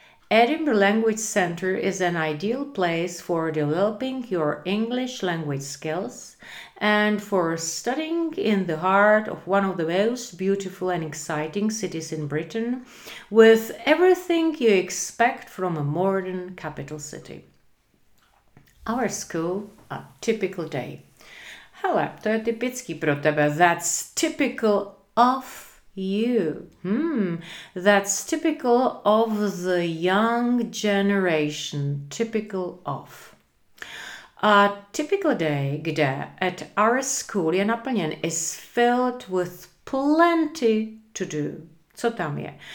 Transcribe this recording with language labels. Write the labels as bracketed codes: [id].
[en] Edinburgh Language Centre is an ideal place for developing your English language skills and for studying in the heart of one of the most beautiful and exciting cities in Britain, with everything you expect from a modern capital city. Our school, a typical day. [cs] Hele, to je typický pro tebe. [en] That's typical of you. That's typical of the young generation. Typical of. A typical day, kde, at our school, [cs] je naplněn, [en] is filled with plenty to do. [cs] Co tam je?